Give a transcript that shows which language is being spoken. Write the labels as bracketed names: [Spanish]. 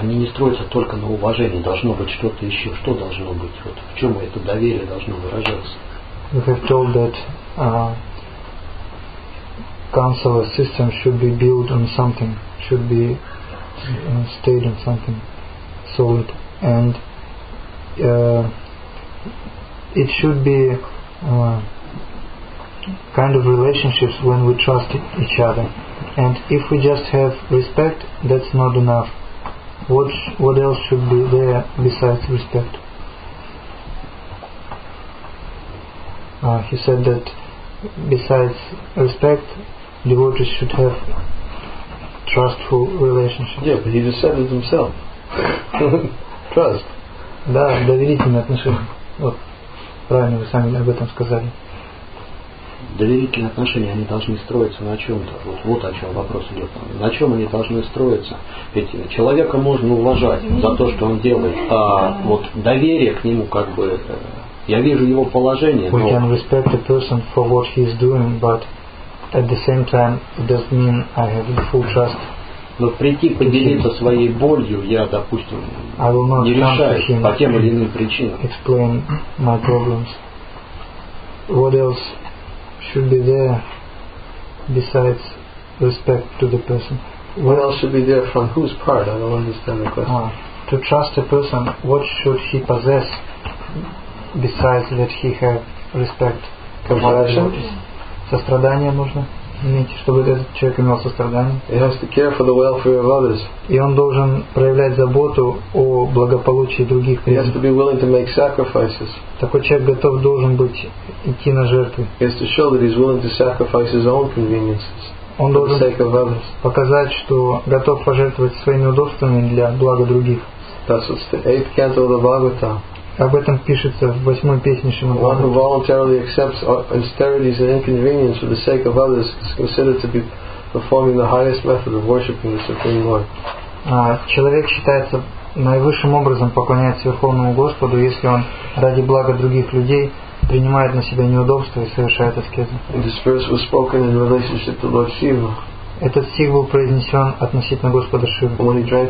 [Russian] Они не строятся только на уважении, должно быть что-то еще, что должно быть, вот. В чем это доверие должно выражаться? [English] You have told that council or system should be built on something, should be stayed on something solid, and it should be kind of relationships when we trust each other. And if we just have respect, that's not enough. What else should be there besides respect? He said that besides respect, devotees should have trustful relationships. Yeah, but he just said it himself. Trust. [Russian] Да, доверительные отношения. Вот, правильно вы сами об этом сказали. Доверительные отношения, они должны строиться на чем-то. Вот, вот о чем вопрос идет. На чем они должны строиться? Ведь человека можно уважать за то, что он делает. А вот доверие к нему, как бы, я вижу его положение. [English] We can respect the person for what he is doing, but at the same time, it doesn't mean I have full trust. [Russian] Но прийти поделиться своей болью, я, допустим, не решаю по тем или иным причинам. [English] Explain my problems. What else should be there besides respect to the person? What else should be there from whose part? I don't understand the question. To trust a person, what should he possess besides that he have respect? Compassion. [Russian] Сострадание нужно. Иметь, чтобы этот человек имел сострадание. [English] He has to care for the welfare of others. [Russian] И он должен проявлять заботу о благополучии других. [English] He has to be willing to make sacrifices. [Russian] Такой человек готов должен быть идти на жертвы. [English] He has to show that he's willing to sacrifice his own conveniences. [Russian] Он должен [English] for the sake of others. [Russian] Показать, что готов пожертвовать своими удобствами для блага других. [English] That's what's the eighth canto of the Bhagavatam. [Russian] Об этом пишется в восьмой песне Шримад-Бхагаватам. [English] One who voluntarily accepts austerities and inconvenience for the sake of others is considered to be performing the highest method of worshiping the Supreme Lord. [Russian] Человек считается наивысшим образом поклоняется Верховному Господу, если он ради блага других людей принимает на себя неудобства и совершает аскезу. [English] This verse was spoken in relationship to Lord Shiva. [Russian] Этот стих был произнесен относительно Господа Шивы.